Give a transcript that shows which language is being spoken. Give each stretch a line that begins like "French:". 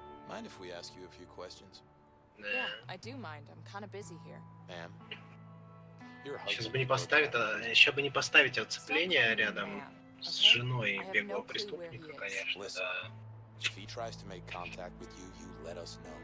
English: Mind if we ask you a few questions? Yeah, I do mind. I'm kind of busy here. Ma'am.
Russian: Сейчас бы не поставить, оцепление рядом с женой беглого преступника, конечно.
English: If he tries to make contact with you, you let us know.